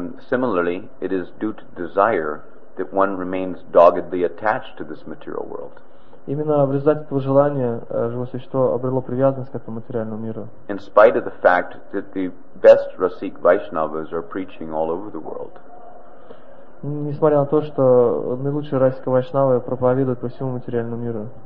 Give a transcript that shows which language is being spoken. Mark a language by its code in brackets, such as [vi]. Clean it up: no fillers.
[en] Similarly, it is due to desire that one remains doggedly attached to this material world. [ru] Именно в результате этого желания живое существо обрело привязанность к этому материальному миру. [en] In spite of the fact that the best Rasik Vaishnavas are preaching all over the world. [ru] Несмотря на то, что наилучшие Расика Вайшнавы проповедуют по всему материальному миру.